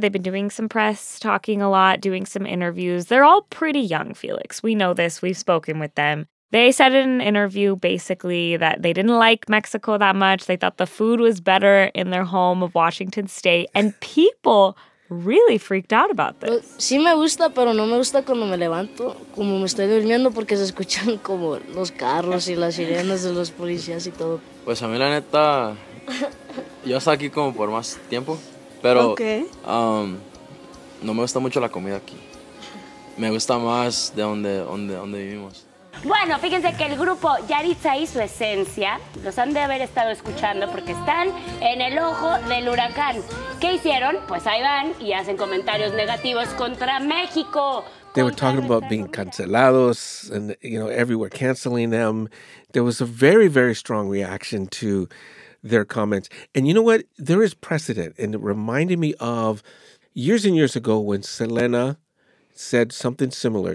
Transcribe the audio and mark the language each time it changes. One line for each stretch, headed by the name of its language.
English: They've been doing some press, talking a lot, doing some interviews. They're all pretty young, Felix. We know this. We've spoken with them. They said in an interview, basically, that they didn't like Mexico that much. They thought the food was better in their home of Washington State. And people really freaked out about this.
Spanish: Sí me gusta, pero no me gusta cuando me levanto, como me estoy durmiendo, porque se escuchan como los carros y las sirenas de los policías y todo. Pues a mí la neta, yo estoy aquí como por más tiempo, pero no me gusta mucho la comida aquí. Me gusta más de donde vivimos. Bueno, fíjense que el grupo Yaritza y su esencia los han de haber estado escuchando porque están en el ojo del huracán. ¿Qué hicieron? Pues ahí van y hacen comentarios negativos contra México.
English: They were talking about being cancelados and, you know, everywhere canceling them. There was a very, very strong reaction to their comments. And you know what? There is precedent. And it reminded me of years and years ago when Selena said something similar.